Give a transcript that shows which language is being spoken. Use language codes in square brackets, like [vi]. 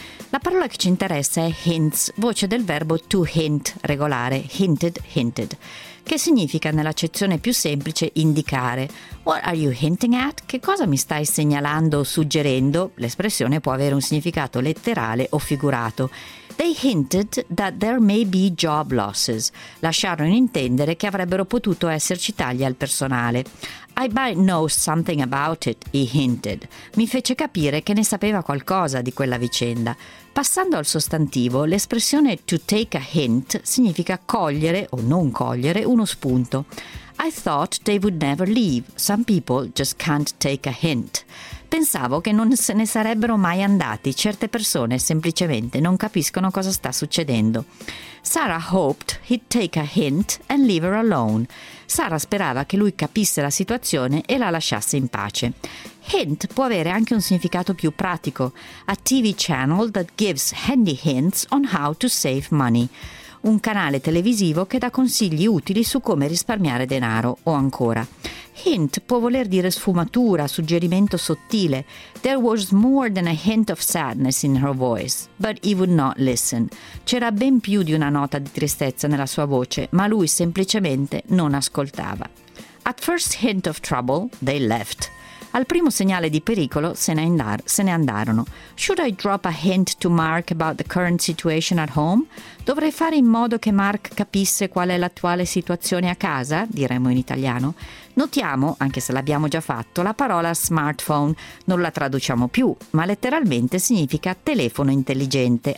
[it] La parola che ci interessa è hints, voce del verbo to hint, regolare, hinted, hinted, che significa nell'accezione più semplice indicare. [en] What are you hinting at? [it] Che cosa mi stai segnalando o suggerendo? L'espressione può avere un significato letterale o figurato. [en] They hinted that there may be job losses. [it] Lasciarono in intendere che avrebbero potuto esserci tagli al personale. [en] I might know something about it, he hinted. [it] Mi fece capire che ne sapeva qualcosa di quella vicenda. Passando al sostantivo, l'espressione to take a hint significa cogliere o non cogliere uno spunto. [en] I thought they would never leave. Some people just can't take a hint. [it] Pensavo che non se ne sarebbero mai andati. Certe persone semplicemente non capiscono cosa sta succedendo. [en] Sarah hoped he'd take a hint and leave her alone. [it] Sarah sperava che lui capisse la situazione e la lasciasse in pace. Hint può avere anche un significato più pratico. [en] A TV channel that gives handy hints on how to save money. [it] Un canale televisivo che dà consigli utili su come risparmiare denaro, o ancora. Hint può voler dire sfumatura, suggerimento sottile. [en] There was more than a hint of sadness in her voice, but he would not listen. [it] C'era ben più di una nota di tristezza nella sua voce, ma lui semplicemente non ascoltava. [en] At first hint of trouble, they left. [it] Al primo segnale di pericolo se ne andarono. [en] Should I drop a hint to Mark about the current situation at home? [it] Dovrei fare in modo che Mark capisse qual è l'attuale situazione a casa, diremmo in italiano. Notiamo, anche se l'abbiamo già fatto, la parola smartphone. Non la traduciamo più, ma letteralmente significa telefono intelligente.